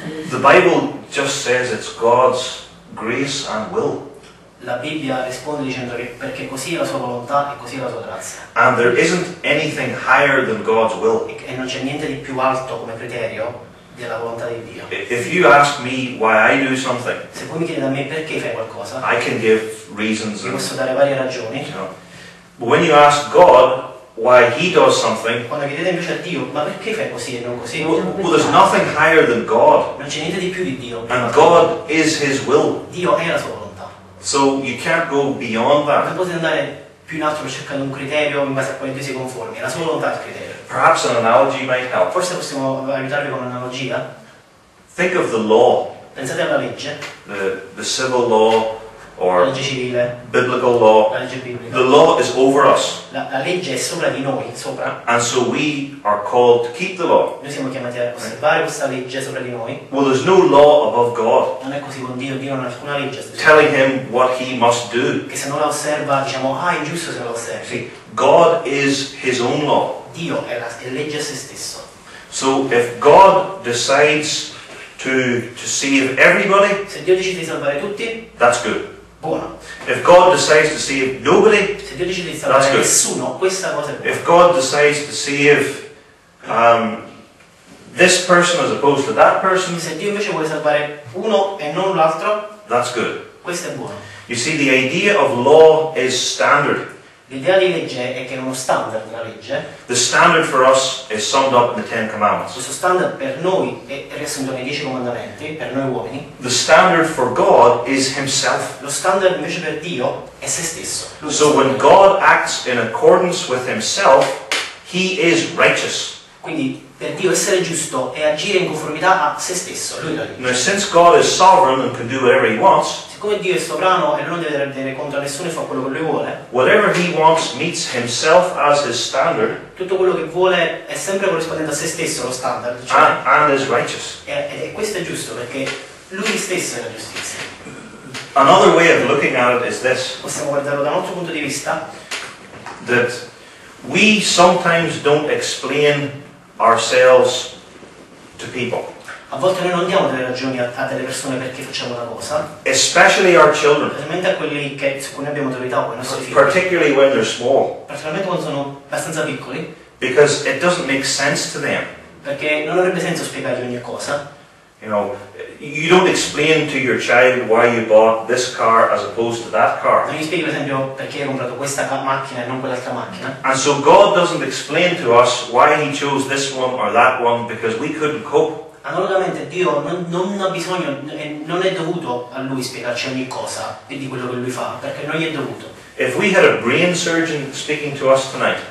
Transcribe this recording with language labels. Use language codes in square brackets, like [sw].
[en] The Bible just says it's God's grace and will. [it] La Bibbia risponde dicendo che perché così è la sua volontà e così è la sua grazia. [en] And there isn't anything higher than God's will. [it] E non c'è niente di più alto come criterio della volontà di Dio. [en] If you ask me why I do something, [it] se voi mi chiedete a me perché fai qualcosa, [en] I can give reasons. [it] Io posso dare varie ragioni. [en] You know. But when you ask God why he does something, [it] quando chiedete invece a Dio, ma perché fai così e non così? [en] Well, there's nothing higher than God. [it] Non c'è niente di più di Dio. [en] And God is his will. [it] Dio è la sua volontà. [en] So you can't go beyond that. [it] Non potete andare più in alto per cercare un criterio in base a quale tu si conformi. La sua volontà è il criterio. [en] Perhaps an analogy might help. [it] Forse possiamo aiutarvi con un'analogia. [en] Think of the law. [it] Pensate alla legge. [en] The civil law. Or [it] la legge civile, [en] biblical law, [it] la legge biblica. [en] The law is over us. [it] La legge è sopra di noi, sopra. [en] And so we are called to keep the law. [it] Noi siamo chiamati a osservare questa legge sopra di noi. [en] Well, there's no law above God. [it] Non è così con Dio, Dio non ha alcuna legge. [en] Telling him what he must do. [it] Che se non la osserva, diciamo, ah, è giusto se la osserva. [en] See, God is his own law. [it] Dio è la legge a se stesso. [en] So if God decides to save everybody, [it] se Dio decide di salvare tutti, [en] that's good. [it] Buono. [en] If God decides to save nobody, [it] se Dio decide di salvare nessuno, questa cosa è buona. [en] If God decides to save this person as opposed to that person, [it] se Dio invece vuole salvare uno e non l'altro, [en] that's good. [it] Questa è buona. [en] You see, the idea of law is standard. [it] L'idea di legge è che è uno standard, la legge. [en] The standard for us is summed up in the Ten Commandments. [it] Questo standard per noi è riassunto nei 10 comandamenti, per noi uomini. [en] The standard for God is himself. [it] Lo standard invece per Dio è se stesso. [en] Lui so when God acts in accordance with himself, he is righteous. [it] Quindi per Dio essere giusto è agire in conformità a se stesso, lui la legge. [en] Now since God is sovereign and can do whatever he wants, [it] come Dio è sovrano e non deve dare contro a nessuno e fa quello che lui vuole. [en] Whatever he wants meets himself as his standard. [it] Tutto quello che vuole è sempre corrispondente a se stesso lo standard. Cioè, [en] and is righteous. [it] E questo è giusto perché lui stesso è la giustizia. [en] Another way of looking at it is this. [it] Possiamo guardarlo da un altro punto di vista. [en] That we sometimes don't explain ourselves to people. [it] A volte noi non diamo delle ragioni a delle persone perché facciamo una cosa. [en] Especially our children. [it] Specialmente a quelli che su cui abbiamo autorità o i nostri figli. [en] Particularly when they're small. [it] Particolarmente quando sono abbastanza piccoli. [en] Because it doesn't make sense to them. [it] Perché non avrebbe senso spiegargli ogni cosa. [en] You know, you don't explain to your child why you bought this car as opposed to that car. [it] Non gli spieghi per esempio perché hai comprato questa macchina e non quell'altra macchina. [en] And so God doesn't explain to us why he chose this one or that one because we couldn't cope. [it] Analogamente Dio non ha bisogno, non è dovuto a lui spiegarci ogni cosa di quello che lui fa, perché non gli è dovuto. [en] If we had a brain surgeon speaking to us tonight,